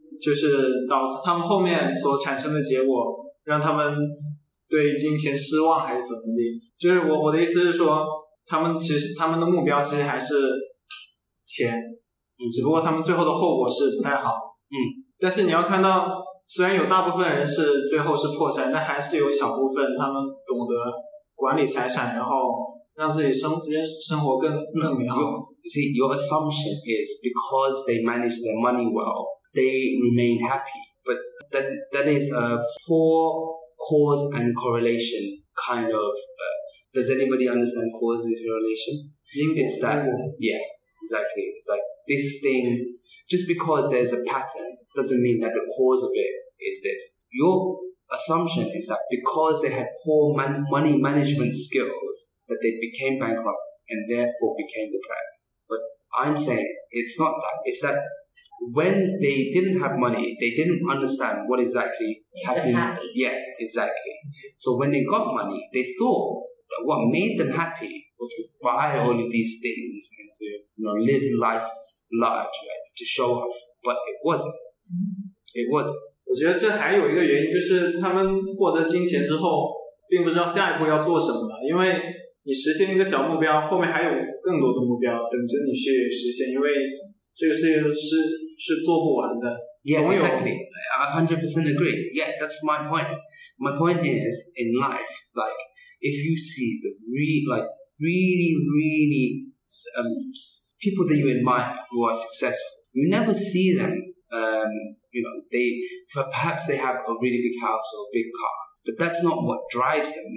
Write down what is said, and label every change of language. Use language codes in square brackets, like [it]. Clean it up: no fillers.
[zh] 就是导致他们后面所产生的结果让他们对金钱失望还是怎么的，就是我的意思是说他们的目标其实还是钱，只不过他们最后的后果是不太好。但是你要看到虽然有大部分人是最后是破产，但还是有一小部分他们懂得管理财产，然后让自己生活更美好。 [en] Your assumption is because they manage their money wellthey remain happy, but that is a poor cause and correlation kind of, does anybody understand cause and correlation? It's that, yeah, exactly. It's like this thing, just because there's a pattern doesn't mean that the cause of it is this. Your assumption is that because they had poor money management skills that they became bankrupt and therefore became depressed. But I'm saying it's not that, it's that,when they didn't have money, they didn't understand what exactly happened. Yeah, exactly. So when they got money, they thought that what made them happy was to buy all of these things and to live life large, right? To show off. But it wasn't. It wasn't. [zh] 我觉得这还有一个原因，就是他们获得金钱之后并不知道下一步要做什么了，因为你实现一个小目标，后面还有更多的目标等着你去实现，因为这个事情是做不完的。 [en] Yeah, exactly. I 100% agree. Yeah, that's my point. My point is, in life, like, if you see the really, really people that you admire who are successful, you never see them, perhaps they have a really big house or a big car, but that's not what drives them.